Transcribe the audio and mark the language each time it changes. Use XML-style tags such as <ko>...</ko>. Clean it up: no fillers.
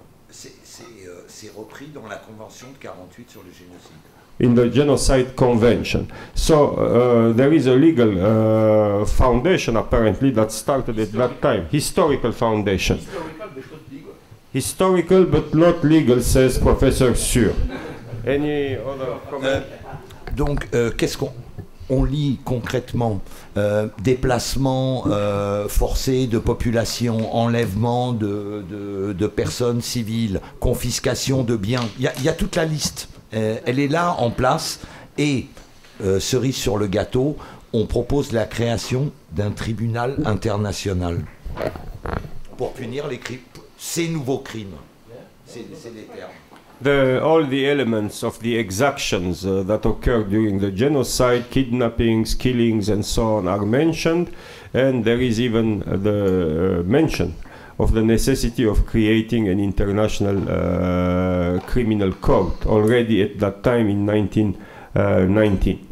<fr>C'est repris dans la convention de 48 sur le génocide.</fr> <en>In the Genocide Convention. So there is a legal foundation, apparently, that started historical. At that time. Historical foundation. Historical, but not legal. Historical, but not legal, says Professor Sur. Any other comment?</en> <fr>Donc, qu'est-ce qu'on on lit concrètement? Déplacement forcé de population, enlèvement de personnes civiles, confiscation de biens. Il y a toute la liste. Elle est là, en place, et cerise sur le gâteau, on propose la création d'un tribunal international pour punir ces nouveaux crimes. C'est les termes.</fr> <en>All the elements of the exactions that occurred during the genocide, kidnappings, killings, and so on, are mentioned, and there is even the mention of the necessity of creating an international criminal court already at that time in 1919.</en>